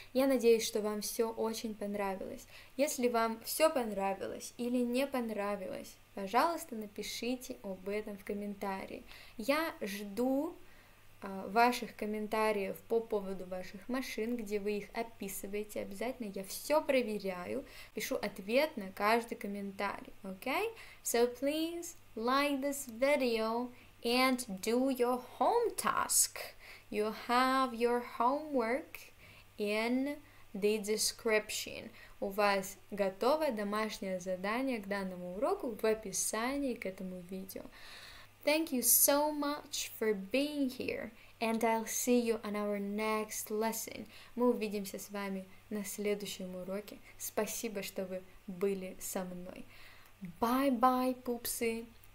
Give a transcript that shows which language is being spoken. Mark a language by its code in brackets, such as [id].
[ru] Я надеюсь, что вам все очень понравилось. Если вам все понравилось или не понравилось, пожалуйста, напишите об этом в комментарии. Я жду ваших комментариев по поводу ваших машин, где вы их описываете обязательно. Я все проверяю, пишу ответ на каждый комментарий, okay? [en] So please like this video and do your home task. You have your homework in the description. [ru] У вас готово домашнее задание к данному уроку в описании к этому видео. [en] Thank you so much for being here, and I'll see you on our next lesson. [ru] Мы увидимся с вами на следующем уроке. Спасибо, что вы были со мной. [en] Bye-bye, [ru] пупсы!